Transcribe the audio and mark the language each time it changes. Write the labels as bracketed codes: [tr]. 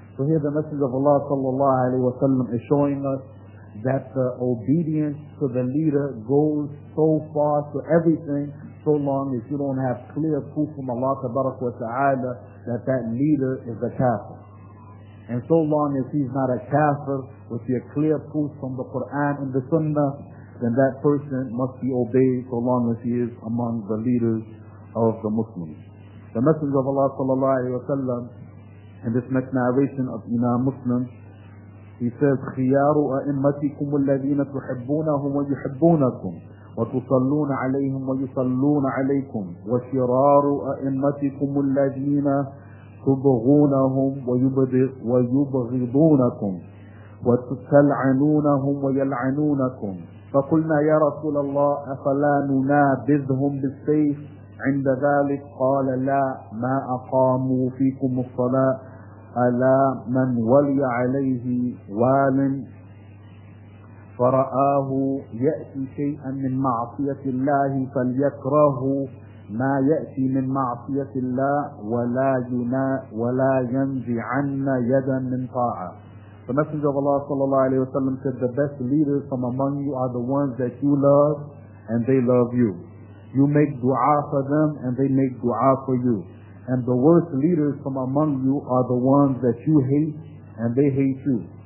[en] So here the Messenger of Allah sallallahu alayhi wa sallam is showing us that the obedience to the leader goes so far to everything, so long as you don't have clear proof from Allah tabarak wa ta'ala that that leader is a kafir. And so long as he's not a kafir with your clear proof from the Quran and the sunnah, then that person must be obeyed so long as he is among the leaders of the Muslims. The Messenger of Allah sallallahu alayhi wa sallam, in this next narration of Imam Muslim, he says, [ar] خِيَارُ أَئِمَّتِكُمُ الَّذِينَ تُحِبُّونَهُمْ وَيُحِبُّونَكُمْ وَتُصَلُّونَ عَلَيْهِمْ وَيُصَلُّونَ عَلَيْكُمْ وَشِرَارُ أَئِمَّتِكُمُ الَّذِينَ تُبْغُونَهُمْ وَيُبْغِضُونَكُمْ وَتَلْعَنُونَهُمْ وَيَلْعَنُونَكُمْ فَقُلْنَا يَا رَسُولَ اللَّهِ أَفَلَا نُنَابِذْهُمْ بِالسَّيْفِ عند ذلك قال لا ما أقاموا فيكم الصلاة ألا من ولي عليه وال فرآه يأتي شيئا من معصية الله فليكره ما يأتي من معصية الله ولا ينزع عنا يدا من طاعة. [en] The Messenger of Allah [ar] صلى الله عليه وسلم [en] said, the best leaders from among you are the ones that you love and they love you. You make dua for them and they make dua for you. And the worst leaders from among you are the ones that you hate and they hate you.